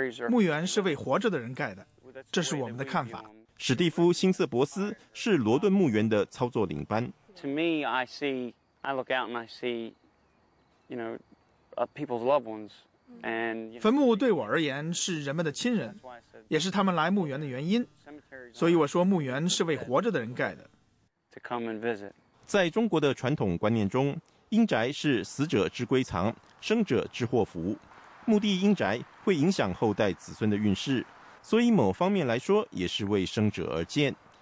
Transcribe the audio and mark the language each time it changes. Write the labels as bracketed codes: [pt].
[zh] 墓园是为活着的人盖的，这是我们的看法。史蒂夫·辛瑟伯斯是罗顿墓园的操作领班。 [en] To me, I look out and I see, you know, people's loved ones. [zh] 坟墓对我而言是人们的亲人，也是他们来墓园的原因，所以我说墓园是为活着的人盖的。在中国的传统观念中，阴宅是死者之归藏，生者之祸福，墓地阴宅会影响后代子孙的运势，所以某方面来说也是为生者而建。